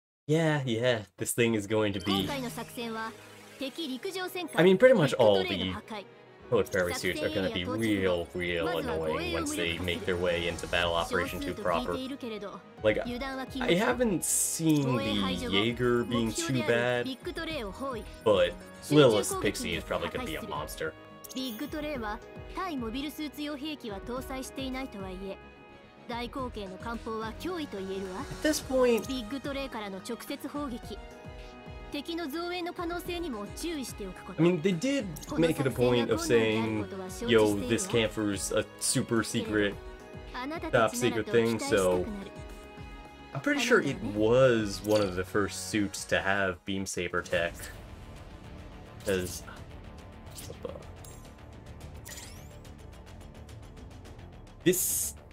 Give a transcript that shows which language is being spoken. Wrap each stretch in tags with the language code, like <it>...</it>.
<en>Yeah, yeah, this thing is going to be.</en> <ja>今回の作戦は敵陸上戦艦。</ja> <en>I mean, pretty much all the Hood Fairy suits are going to be real, real annoying once they make their way into Battle Operation 2 proper. Like, I haven't seen the Jaeger being too bad, but Lilith Pixie is probably going to be a monster.</en> <ja>Big Tore は対モビルスーツ用兵器は搭載していないとはいえ、大口径の艦砲は脅威と言えるわ。</ja> <en>At this point,</en> <ja>Big Tore からの直接砲撃。敵の増援の可能性にも注意しておくこと。</ja> <en>I mean, they did make it a point of saying, yo, this camper's a super secret, top secret thing, so I'm pretty sure it was one of the first suits to have beam saber tech. Because this.</en>